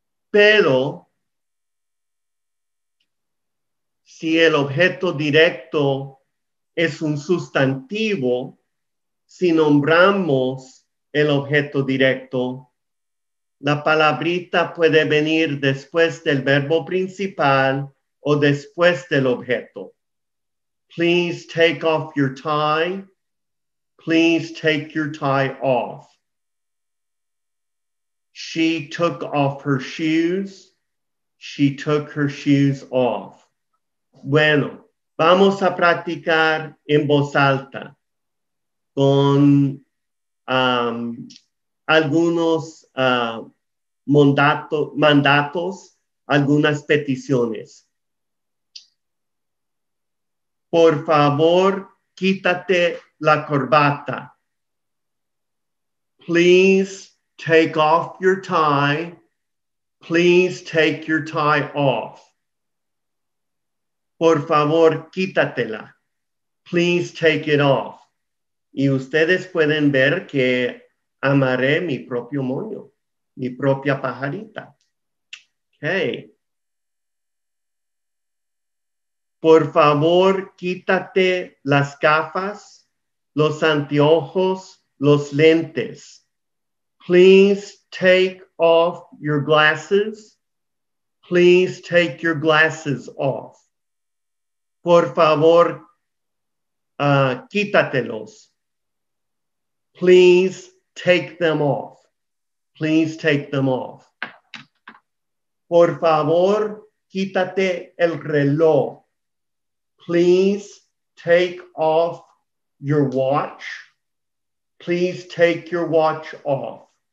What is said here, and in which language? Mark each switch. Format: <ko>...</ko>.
<es>Pero si el objeto directo es un sustantivo, si nombramos el objeto directo, la palabrita puede venir después del verbo principal o después del objeto.</es> <en>Please take off your tie. Please take your tie off. She took off her shoes. She took her shoes off.</en> <es>Bueno, vamos a practicar en voz alta con algunos mandatos, algunas peticiones. Por favor, quítate la corbata.</es> <en>Please take off your tie. Please take your tie off.</en> <es>Por favor, quítatela.</es> <en>Please take it off.</en> <es>Y ustedes pueden ver que amaré mi propio moño, mi propia pajarita. Okay. Por favor, quítate las gafas, los anteojos, los lentes.</es> <en>Please take off your glasses. Please take your glasses off.</en> <es>Por favor, quítatelos.</es> <en>Please take them off. Please take them off.</en> <es>Por favor, quítate el reloj.</es> <en>Please take off your watch. Please take your watch off.</en>